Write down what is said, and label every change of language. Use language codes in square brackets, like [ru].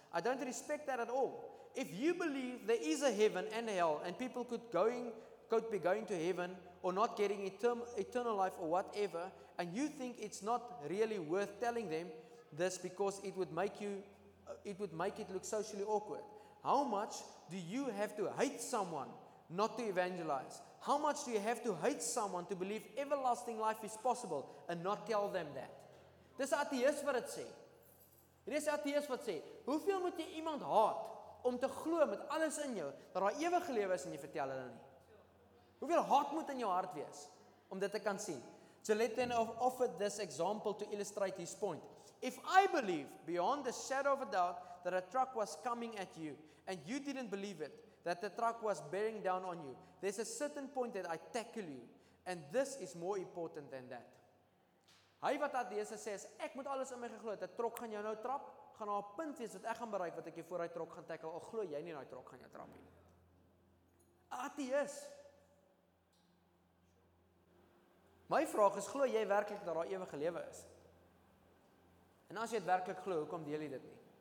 [en] I don't respect that at all. If you believe there is a heaven and a hell, and people could be going to heaven or not getting eternal life or whatever, and you think it's not really worth telling them this because it would make it look socially awkward. How much do you have to hate someone not to evangelize? How much do you have to hate someone to believe everlasting life is possible and not tell them that? [af] Dis 'n ateïs wat dit sê. Dis 'n ateïs wat sê, hoeveel moet jy iemand haat om te glo met alles in jou dat daar ewige lewe is en jy vertel hulle nie? Hoeveel haat moet in jou hart wees om dit te kan sien? [en] So let then offer this example to illustrate his point. If I believe beyond the shadow of a doubt that a truck was coming at you and you didn't believe it, that the truck was bearing down on you, there's a certain point that I tackle you and this is more important than that. [af] Hy wat ateëse sê is, ek moet alles in my geglo het, 'n trok gaan jou nou trap, gaan daar 'n punt wees wat ek gaan bereik wat ek jou voor hy trok gaan tackle, al glo jy nie daai trok gaan jou trap nie. 'n Ateëse. My vraag is, glo jy werklik dat daar ewige lewe is? En as jy dit werklik glo, hoekom deel jy dit nie?